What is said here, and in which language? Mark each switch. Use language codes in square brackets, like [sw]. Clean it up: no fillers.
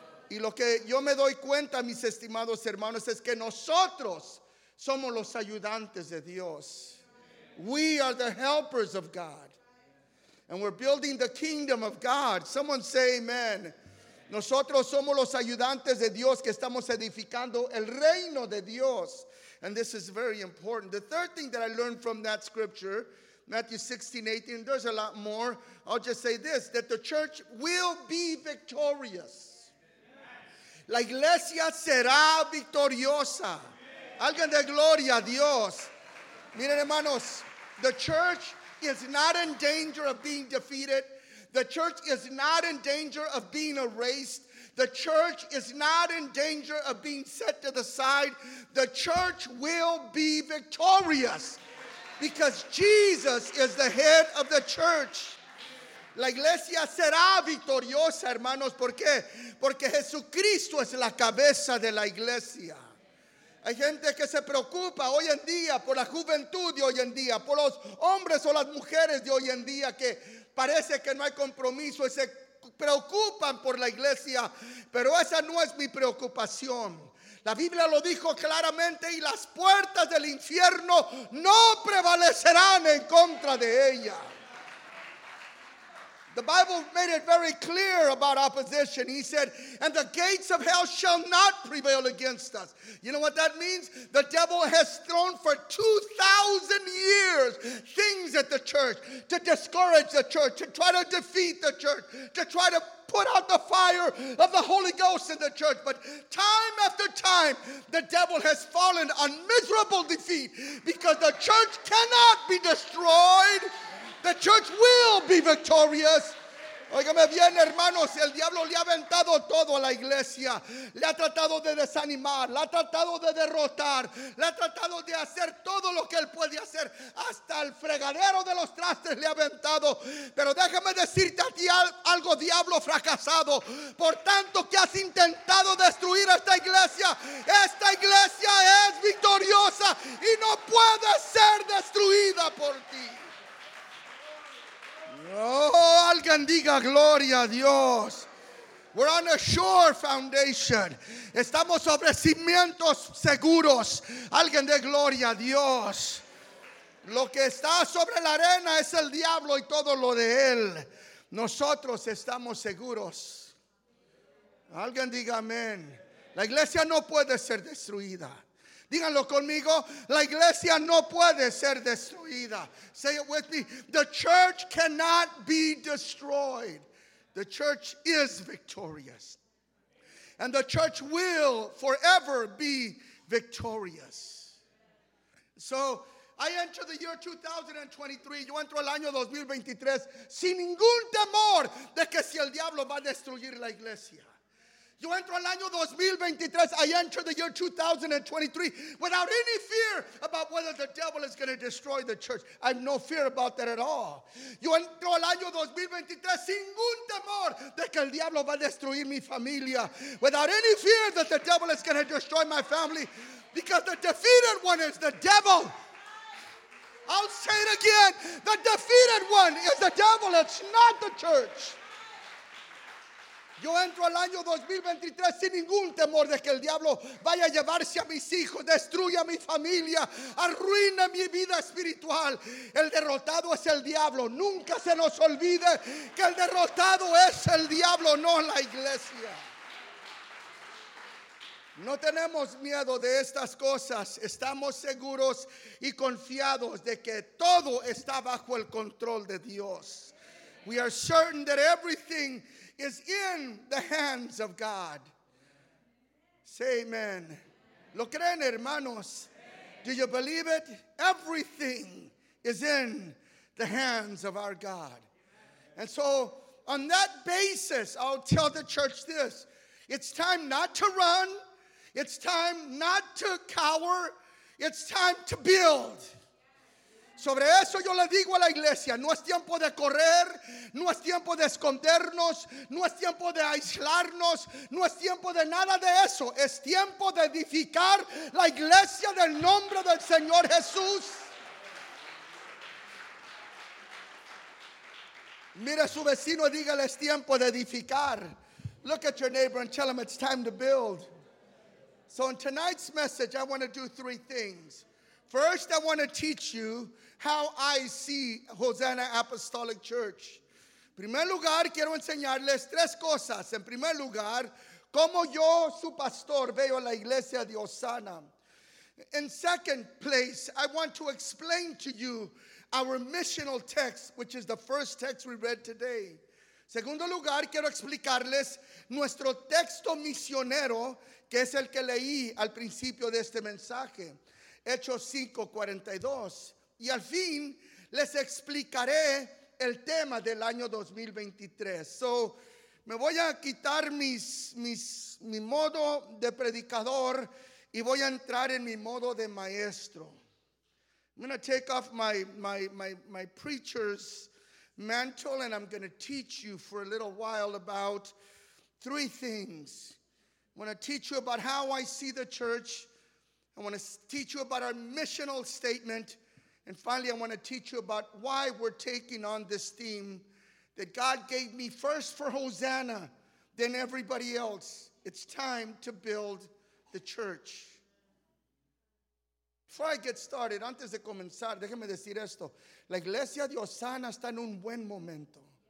[es] Y lo que yo me doy cuenta, mis estimados hermanos, es que nosotros somos los ayudantes de Dios. [en] We are the helpers of God. And we're building the kingdom of God. Someone say amen. [es] Nosotros somos los ayudantes de Dios que estamos edificando el reino de Dios. [en] And this is very important. The third thing that I learned from that scripture, Matthew 16:18, there's a lot more. I'll just say this, that the church will be victorious. [es] La iglesia será victoriosa. Alguien de gloria a Dios. Miren, hermanos, [en] the church is not in danger of being defeated. The church is not in danger of being erased. The church is not in danger of being set to the side. The church will be victorious because Jesus is the head of the church. [es] La iglesia será victoriosa, hermanos. ¿Por qué? Porque Jesucristo es la cabeza de la iglesia. Hay gente que se preocupa hoy en día por la juventud de hoy en día, por los hombres o las mujeres de hoy en día que parece que no hay compromiso y se preocupan por la iglesia, pero esa no es mi preocupación. La Biblia lo dijo claramente y las puertas del infierno no prevalecerán en contra de ella. [en] The Bible made it very clear about opposition. He said, and the gates of hell shall not prevail against us. You know what that means? The devil has thrown for 2,000 years things at the church to discourage the church, to try to defeat the church, to try to put out the fire of the Holy Ghost in the church. But time after time, the devil has fallen on miserable defeat because the church cannot be destroyed. The church will be victorious. [es] Óigame bien, hermanos, el diablo le ha aventado todo a la iglesia. Le ha tratado de desanimar, le ha tratado de derrotar, le ha tratado de hacer todo lo que él puede hacer. Hasta el fregadero de los trastes le ha aventado. Pero déjame decirte a ti algo, diablo fracasado. Por tanto que has intentado destruir esta iglesia es victoriosa y no puede ser destruida por ti. Oh, alguien diga gloria a Dios. [en] We're on a sure foundation. [es] Estamos sobre cimientos seguros. Alguien de gloria a Dios. Lo que está sobre la arena es el diablo y todo lo de él. Nosotros estamos seguros. Alguien diga amén. La iglesia no puede ser destruida. Díganlo conmigo, la iglesia no puede ser destruida. [en] Say it with me, the church cannot be destroyed. The church is victorious. And the church will forever be victorious. So, I enter the year 2023. [es] Yo entro al año 2023 sin ningún temor de que si el diablo va a destruir la iglesia. Yo entro al año 2023. [en] I enter the year 2023 without any fear about whether the devil is going to destroy the church. I have no fear about that at all. [es] Yo entro al año 2023 sin ningún temor de que el diablo va a destruir mi familia. [en] Without any fear that the devil is going to destroy my family, because the defeated one is the devil. I'll say it again. The defeated one is the devil. It's not the church. [es] Yo entro al año 2023 sin ningún temor de que el diablo vaya a llevarse a mis hijos, destruya mi familia, arruine mi vida espiritual. El derrotado es el diablo. Nunca se nos olvide que el derrotado es el diablo, no la iglesia. No tenemos miedo de estas cosas. Estamos seguros y confiados de que todo está bajo el control de Dios. [en] We are certain that everything is in the hands of God. Say amen. [es] ¿Lo creen, hermanos? [en] Do you believe it? Everything is in the hands of our God. And so, on that basis, I'll tell the church this. It's time not to run. It's time not to cower. It's time to build. [es] Sobre eso yo le digo a la iglesia, no es tiempo de correr, no es tiempo de escondernos, no es tiempo de aislarnos, no es tiempo de nada de eso. Es tiempo de edificar la iglesia del nombre del Señor Jesús. Mire a su vecino y dígale, es tiempo de edificar. [en] Look at your neighbor and tell him it's time to build. So in tonight's message, I want to do three things. First, I want to teach you how I see Hosanna Apostolic Church. [es] En primer lugar, quiero enseñarles tres cosas. En primer lugar, cómo yo, su pastor, veo la iglesia de Hosanna. In second place, I want to explain to you our missional text, which is the first text we read today. Segundo lugar, quiero explicarles nuestro texto misionero, que es el que leí al principio de este mensaje, Hechos 5:42. Y al fin, les explicaré el tema del año 2023. So, me voy a quitar mi modo de predicador y voy a entrar en mi modo de maestro. [en] I'm going to take off my preacher's mantle and I'm going to teach you for a little while about three things. I want to teach you about how I see the church. I want to teach you about our missional statement. And finally, I want to teach you about why we're taking on this theme that God gave me first for Hosanna, then everybody else. It's time to build the church. Before I get started, [es] antes de comenzar, déjeme decir esto. La iglesia de Hosanna está en un buen momento.